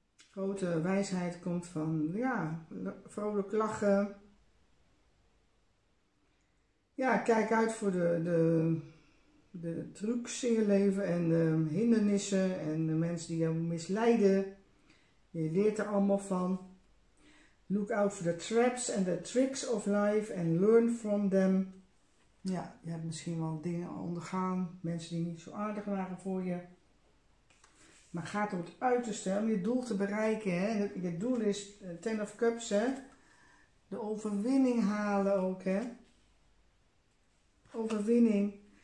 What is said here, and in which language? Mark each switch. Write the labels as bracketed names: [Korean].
[Dutch] Grote wijsheid komt van ja, vrolijk lachen. Ja, kijk uit voor de trucs in je leven en de hindernissen en de mensen die jou misleiden. Je leert er allemaal van. [English] Look out for the traps and the tricks of life and learn from them. [Dutch] Ja, je hebt misschien wel dingen ondergaan. Mensen die niet zo aardig waren voor je. Maar ga tot het uiterste om je doel te bereiken. Hè? Je doel is 10 of cups. Hè? De overwinning halen ook. Hè? Overwinning.